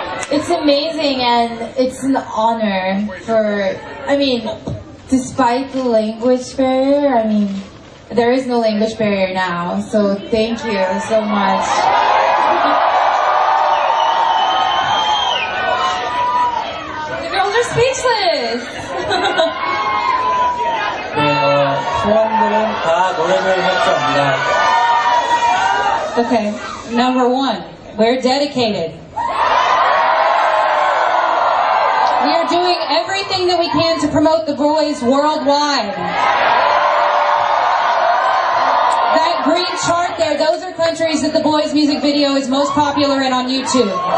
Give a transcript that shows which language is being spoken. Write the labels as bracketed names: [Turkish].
[English] It's amazing and it's an honor for, I mean, despite the language barrier, I mean, there is no language barrier now, so thank you so much. The girls are speechless! [Korean] 소원들은 다 노래를 했습니다. [English] Okay, number one, we're dedicated. We are doing everything that we can to promote the boys worldwide. That green chart there, those are countries that the boys' music video is most popular in on YouTube.